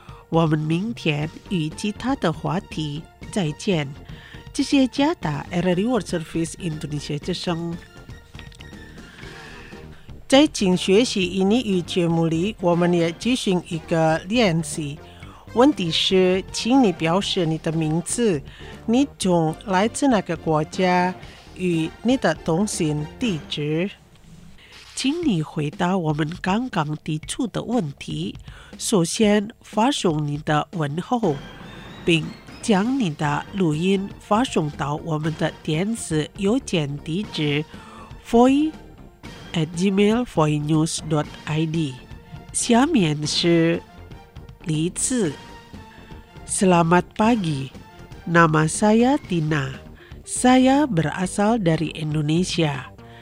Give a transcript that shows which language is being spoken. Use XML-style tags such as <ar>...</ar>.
<zh>我们明天与其他的话题再见。这些加达 RRI World Service Indonesia 之声。在请学习印尼语节目里，我们也进行一个练习。问题是，请你表示你的名字，你从来自哪个国家，与你的通信地址。请你回答我们刚刚提出的问题。首先发送你的问候，并将你的录音发送到我们的电子邮件地址 foy@gmail.foynews.id。下面是例子。</zh> <id>Selamat pagi, nama saya Tina. Saya berasal dari Indonesia.</id>